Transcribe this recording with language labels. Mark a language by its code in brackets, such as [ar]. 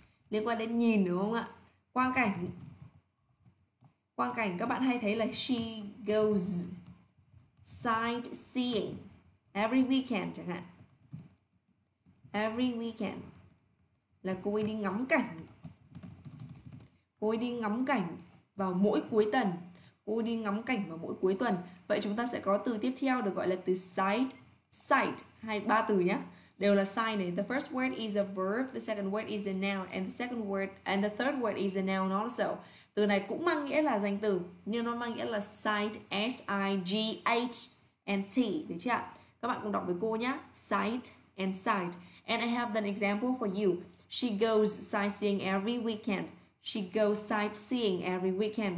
[vi] Liên quan đến nhìn đúng không ạ? Quang cảnh. Quang cảnh các bạn hay thấy là [en] she goes sightseeing every weekend [vi] chẳng hạn. [en] Every weekend [vi] là cô ấy đi ngắm cảnh. Cô ấy đi ngắm cảnh vào mỗi cuối tuần. Cô ấy đi ngắm cảnh vào mỗi cuối tuần. Vậy chúng ta sẽ có từ tiếp theo được gọi là từ sight. Sight, hai ba từ nhé. Đều là sign này. [en] The first word is a verb, the second word is a noun, and the second word and the third word is a noun also. [vi] Từ này cũng mang nghĩa là danh từ, nhưng nó mang nghĩa là sight, S-I-G-H-T, được chưa? Các bạn cùng đọc với cô nhé. [en] Sight and sight. And I have an example for you. She goes sightseeing every weekend. She goes sightseeing every weekend.